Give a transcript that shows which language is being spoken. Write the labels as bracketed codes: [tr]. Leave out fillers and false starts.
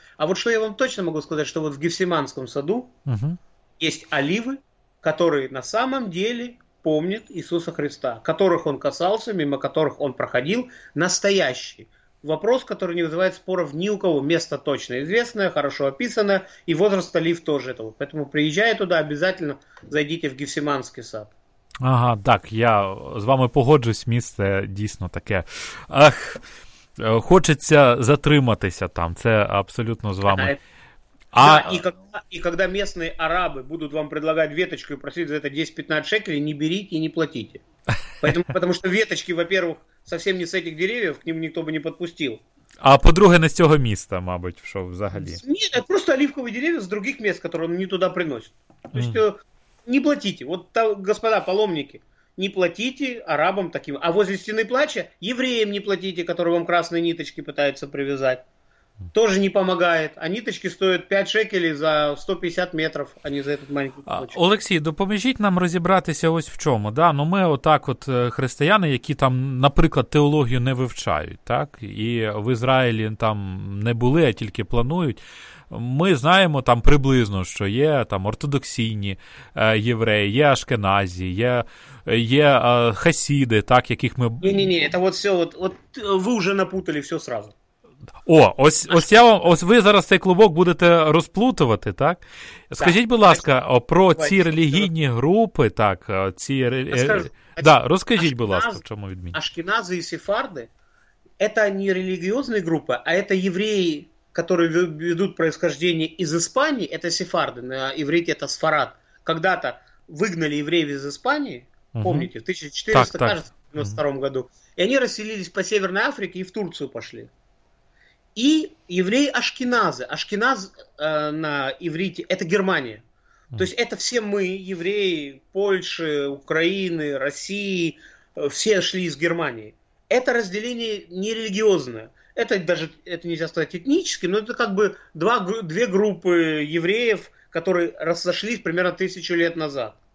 [ru] А вот что я вам точно могу сказать, что вот в Гефсиманском саду есть оливы, которые на самом деле помнят Иисуса Христа, которых он касался, мимо которых он проходил, настоящие. Вопрос, который не вызывает споров ни у кого. Место точно известное, хорошо описано, и возраст олив тоже этого. Поэтому приезжая туда, обязательно зайдите в Гефсиманский сад. [uk] Ага, так, я з вами погоджусь, місце дійсно таке. Ах, хочеться затриматися там, це абсолютно з вами. [ru] Да, и когда местные арабы будут вам предлагать веточку и просить за это 10-15 шекелей, не берите и не платите. Потому что веточки, во-первых, совсем не с этих деревьев, к ним никто бы не подпустил. [uk] А по-друге, не с цього міста, мабуть, що взагалі? [ru] Нет, это просто оливковые деревья с других мест, которые он не туда приносит. То есть, не платите. Вот, господа паломники, не платите арабам таким. А возле стены плача евреям не платите, которые вам красные ниточки пытаются привязать. Тоже не помогает. А ниточки стоят 5 шекелей за 150 метров, а не за этот маленький кусочек. [uk] Олексій, допоможіть нам розібратися ось в чому. Да? Ну, ми отак от християни, які там, наприклад, теологію не вивчають, так? І в Ізраїлі там не були, а тільки планують. Ми знаємо там приблизно, що є там ортодоксійні євреї, є ашкеназі, є хасіди, так, яких ми... Ні-ні-ні, це от все, от ви вже напутали все сразу. О, ось я вам, ось ви зараз цей клубок будете розплутувати, так? Скажіть, будь ласка, про ці релігійні групи, так, ці розкажіть, будь ласка, в чому відмінність? Ашкенази і сефарди [ru] это не [uk] релігійні групи, а это євреї, які ведуть происхождение із Іспанії, это сефарди, на івриті это сфарад. [ru] Когда-то [uk] вигнали євреїв із Іспанії, помните, в 1492 году. І вони розселились по Северной Африке і в Турцію пішли. [ru] И евреи ашкеназы. Ашкеназ на иврите – это Германия. То есть это все мы, евреи Польши, Украины, России, все шли из Германии. Это разделение нерелигиозное. Это даже это нельзя сказать этническим, но это как бы две группы евреев, которые разошлись примерно 1000 лет назад.